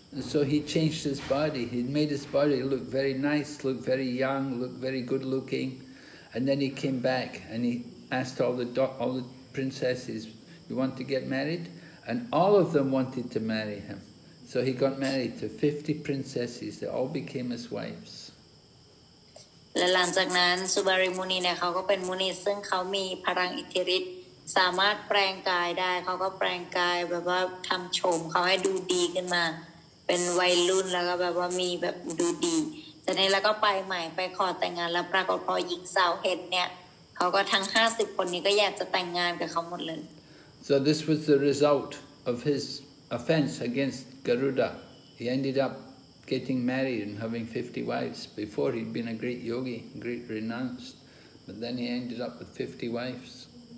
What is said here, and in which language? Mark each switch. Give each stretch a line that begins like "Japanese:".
English: And so he changed his body. He made his body look very nice, look very young, look very good looking. And then he came back and he asked all the princesses, "You want to get married?" And all of them wanted to marry him. So he got married to 50 princesses. They all became his wives.
Thai: และหลังจากนั้น Subari Muni เนี่ยเค้าก็เป็นมุนีซึ่งเค้ามีพลังอิทธิฤทธิ์สามารถแปลงกายได้เค้าก็แปลงกายแบบว่าทําโฉมเค้าให้ดูดีขึ้นมาเป็นวัยรุ่นแล้วก็แบบว่ามีแบบดูดีแต่นี้แล้วก็ไปใหม่ไปขอแต่งงานแล้วปรากฏพอหญิงสาวเห็นเนี่ยเค้าก็ทั้ง 50 คนนี้ก็อยากจะแต่งงานกับเค้าหมดเลย
English: So this was the result of his offense against Garuda. He ended up getting married and having 50 wives. Before he'd been a great yogi, great renounced, but then he ended up with 50 wives.